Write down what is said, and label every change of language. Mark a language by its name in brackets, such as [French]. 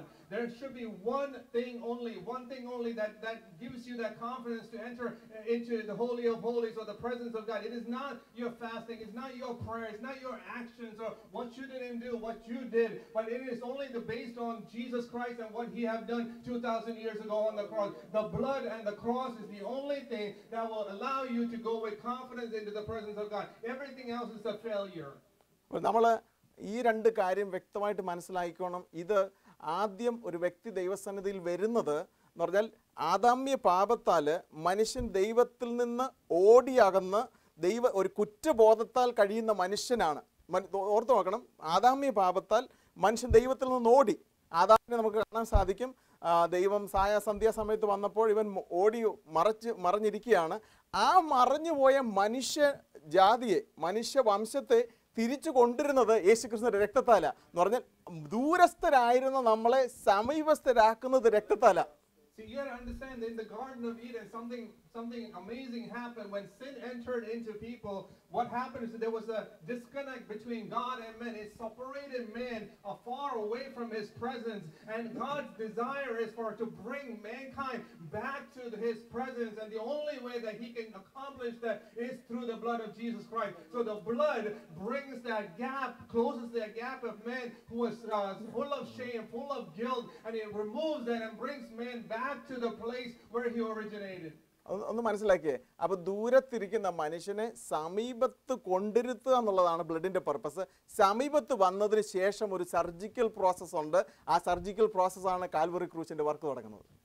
[English] There should be one thing only that gives you that confidence to enter into the Holy of Holies or the presence of God. It is not your fasting, it's not your prayer, it's not your actions or what you didn't do, what you did, but it is only based on Jesus Christ and what He have done 2,000 years ago on the cross. The blood and the cross is the only thing that will allow you to go with confidence into the presence of God. Everything else is a failure. [Malayalam] Well, namala ee rendu karyam vyaktamayittu manasilaikkonam. Idu ആദ്യം ഒരു വ്യക്തി ദൈവസന്നിധിയിൽ വരുന്നത് എന്ന് പറഞ്ഞാൽ ആദാമ്യ പാപത്താൽ മനുഷ്യൻ ദൈവത്തിൽ നിന്ന് ഓടിയകന്ന് ദൈവ ഒരു കുറ്റബോധത്താൽ കഴിയുന്ന മനുഷ്യനാണ്. ഓർത്തു നോക്കണം, ആദാമ്യ പാപത്താൽ മനുഷ്യൻ ദൈവത്തിൽ നിന്ന് ഓടി. ആദാമിനെ നമുക്ക് കാണാൻ സാധിക്കും, ദൈവം സായാസന്ധ്യാസമയത്ത് വന്നപ്പോൾ ഇവൻ ഓടി മറഞ്ഞിരിക്കുകയാണ്. ആ മറഞ്ഞുപോയ മനുഷ്യ ജാതിയെ, മനുഷ്യ വംശത്തെ തിരിച്ചു കൊണ്ടുവരുന്നത് യേശുക്രിസ്തുവിൻ്റെ രക്തത്താലാ എന്ന് പറഞ്ഞാൽ ദൂരസ്ഥരായിരുന്ന നമ്മളെ സമീപസ്ഥരാക്കുന്നത് രക്തത്താലാ. [English] See, you understand in the Garden of Eden something amazing happened when sin entered into people. What happened is that there was a disconnect between God and man. It separated man afar away from His presence, and God's desire is for to bring mankind back to His presence, and the only way that He can accomplish that is through the blood of Jesus Christ. So the blood brings that gap, closes that gap of man who was full of shame, full of guilt, and it removes that and brings man back to the place where he originated. [Malayalam] ഒന്ന് മനസ്സിലാക്കിയേ, അപ്പൊ ദൂരത്തിരിക്കുന്ന മനുഷ്യനെ സമീപത്ത് കൊണ്ടിരുത്തുക എന്നുള്ളതാണ് ബ്ലഡിന്റെ purpose. സമീപത്ത് വന്നതിന് ശേഷം ഒരു surgical process ഉണ്ട്. ആ സർജിക്കൽ പ്രോസസ് ആണ് കാൽവറി ക്രൂശിന്റെ വർക്ക് തുടങ്ങുന്നത്.